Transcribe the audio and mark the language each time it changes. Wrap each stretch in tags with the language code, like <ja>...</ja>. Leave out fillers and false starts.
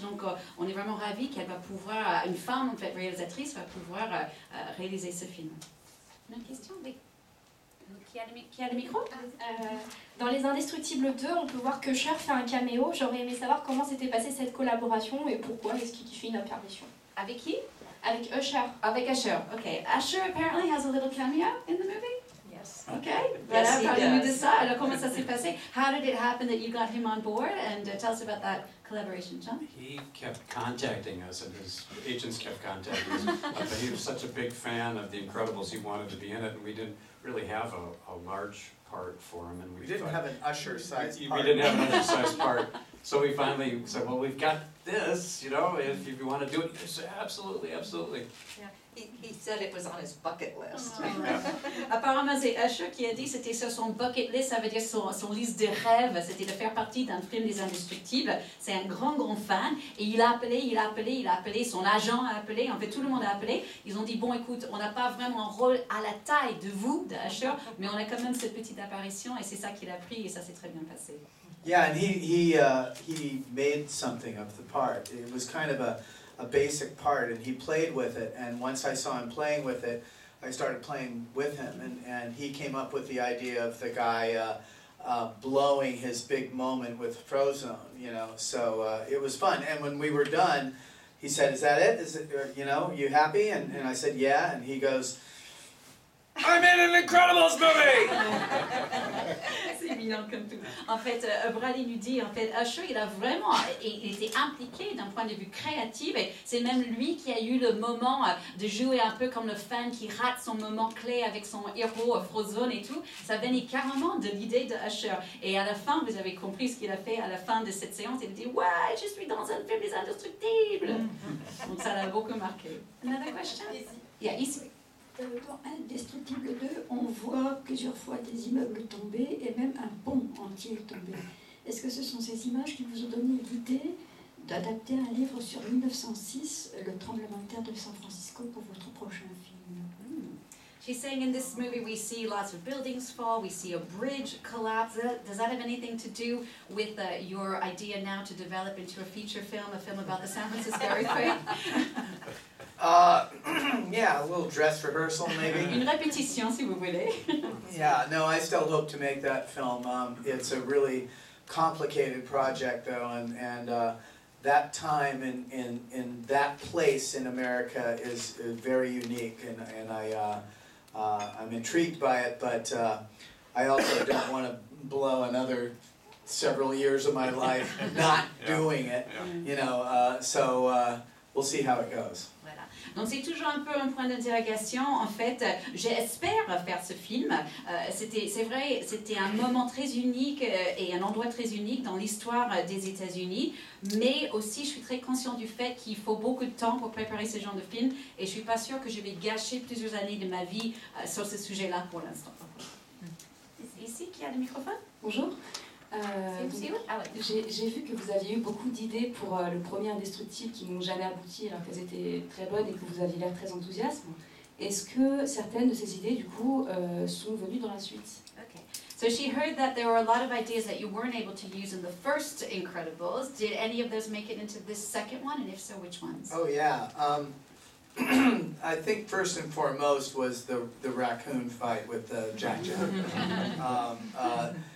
<fr>Donc on est vraiment ravis qu'elle va pouvoir, une femme en fait réalisatrice, va pouvoir réaliser ce film. Une question, oui. Qui a le micro? Dans Les Indestructibles 2, on peut voir que Cher fait un caméo. J'aurais aimé savoir comment s'était passée cette collaboration et pourquoi est-ce qu'il fait une apparition. Avec qui? Avec Usher. Avec Usher, ok.</fr> <en>Usher apparently has a little cameo in the movie. Yes. Okay. Yes, he does.</en> <fr>Parlez-nous de ça. Alors comment ça s'est passé?</fr> <en>How did it happen that you got him on board? And tell us about that collaboration, John. He kept contacting us, and his agents kept contacting us. He was such a big fan of The Incredibles, he wanted to be in it, and we didn't really have a large part for him. And We didn't have an Usher-sized part. So we finally said, well, we've got this, you know, if you want to do it. He said, absolutely, absolutely. Yeah. He said it was on his bucket list. Yeah.</en> <fr>Apparemment, c'est Usher qui a dit que c'était sur son bucket list, ça veut dire son liste de rêves, c'était de faire partie d'un film des Indestructibles. C'est un grand, grand fan. Et il a appelé, son agent a appelé, en fait, tout le monde a appelé. Ils ont dit, bon, écoute, on n'a pas vraiment un rôle à la taille de vous, de Usher, mais on a quand même cette petite apparition, et c'est ça qu'il a pris, et ça s'est très bien passé.</fr> <en>Yeah, and he made something of the part. It was kind of a basic part, and he played with it. And once I saw him playing with it, I started playing with him. And he came up with the idea of the guy blowing his big moment with Frozone, you know. So it was fun. And when we were done, he said, "Is that it? You happy?" And I said, "Yeah." And he goes, I'm in an Incredibles movie!</en> <fr>C'est mignon comme tout. En fait, Bradley nous dit, en fait, Usher, il a vraiment été impliqué d'un point de vue créatif. Et c'est même lui qui a eu le moment de jouer un peu comme le fan qui rate son moment clé avec son héros Frozone et tout. Ça venait carrément de l'idée de Usher. Et à la fin, vous avez compris ce qu'il a fait à la fin de cette séance. Il a dit, ouais, je suis dans un film des Indestructibles. Donc ça l'a beaucoup marqué.</fr> <en>Another question? Yeah,</en> <fr>ici. Dans Indestructible 2, on voit plusieurs fois des immeubles tomber et même un pont entier tomber. Est-ce que ce sont ces images qui vous ont donné l'idée d'adapter un livre sur 1906, le tremblement de terre de San Francisco, pour votre prochain film?</fr> <en>She's saying in this movie we see lots of buildings fall, we see a bridge collapse. Does that have anything to do with your idea now to develop into a feature film, a film about the San Francisco earthquake? yeah, a little dress rehearsal maybe.</en> <fr>Une répétition, si vous voulez.</fr> <en>Yeah, no, I still hope to make that film. It's a really complicated project though, and that time in that place in America is very unique, and I'm intrigued by it, but I also don't want to blow another several years of my life not doing it, you know, so we'll see how it goes.</en> <fr>Donc c'est toujours un peu un point d'interrogation. En fait, j'espère faire ce film. C'était un moment très unique et un endroit très unique dans l'histoire des États-Unis. Mais aussi, je suis très conscient du fait qu'il faut beaucoup de temps pour préparer ce genre de film. Et je suis pas sûre que je vais gâcher plusieurs années de ma vie sur ce sujet-là pour l'instant. Ici, qui a le microphone? Bonjour. J'ai vu que vous aviez eu beaucoup d'idées pour le premier Indestructible qui n'ont jamais abouti alors qu'elles étaient très bonnes et que vous aviez l'air très enthousiaste. Est-ce que certaines de ces idées, du coup, sont venues dans la suite?</fr> <en>Okay. So she heard that there were a lot of ideas that you weren't able to use in the first Incredibles. Did any of those make it into this second one? And if so, which ones? Oh yeah. I think first and foremost was the raccoon fight with Jack-Jack.</en>